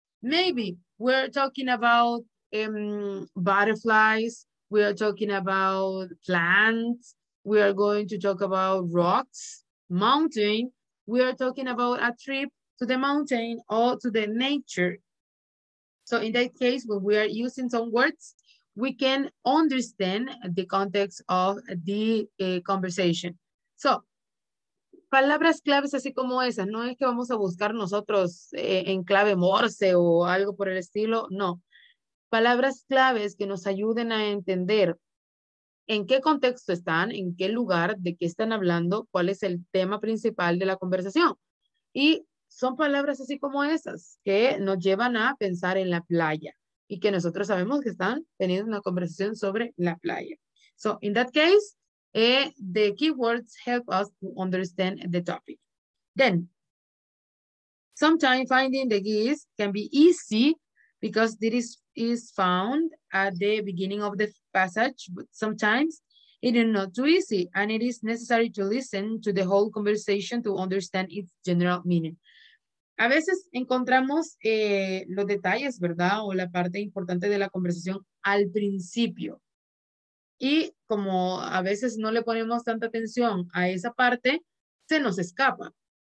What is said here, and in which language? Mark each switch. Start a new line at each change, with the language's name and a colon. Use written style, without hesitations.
English: Maybe we're talking about butterflies, we are talking about plants, we are going to talk about rocks, mountain, we are talking about a trip to the mountain or to the nature. So in that case, when we are using some words, we can understand the context of the conversation.
Spanish: So, palabras claves así como esas, no es que vamos a buscar nosotros en clave morse o algo por el estilo, no. Palabras claves que nos ayuden a entender en qué contexto están, en qué lugar, de qué están hablando, cuál es el tema principal de la conversación. Y son palabras así como esas que nos llevan a pensar en la playa y que nosotros sabemos que están teniendo una conversación sobre la playa.
English: So, in that case, the keywords help us to understand the topic. Then, sometimes finding the geese can be easy because this is found at the beginning of the passage, but sometimes it is not too easy, and it is necessary to listen to the whole conversation to understand its general meaning.
Spanish: A veces encontramos los detalles, ¿verdad? O la parte importante de la conversación al principio. Y como a veces no le ponemos tanta atención a esa parte, se nos escapa.